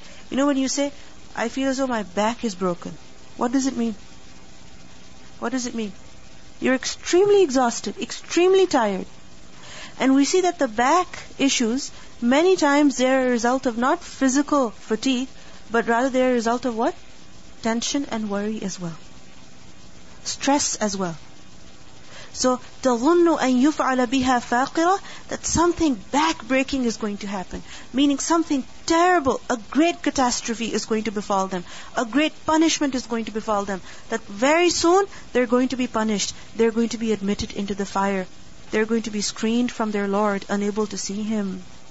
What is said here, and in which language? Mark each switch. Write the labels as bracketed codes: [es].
[en] You know, when you say, I feel as though my back is broken, what does it mean? What does it mean? You're extremely exhausted, extremely tired. And we see that the back issues, many times they are a result of not physical fatigue, but rather they are a result of what? Tension and worry as well. Stress as well. [ar] So, تَظُنُّ أَن يُفْعَلَ بِهَا فَاقِرَةً. [en] That something back-breaking is going to happen. Meaning something terrible, a great catastrophe is going to befall them. A great punishment is going to befall them. That very soon, they're going to be punished. They're going to be admitted into the fire. They're going to be screened from their Lord, unable to see Him.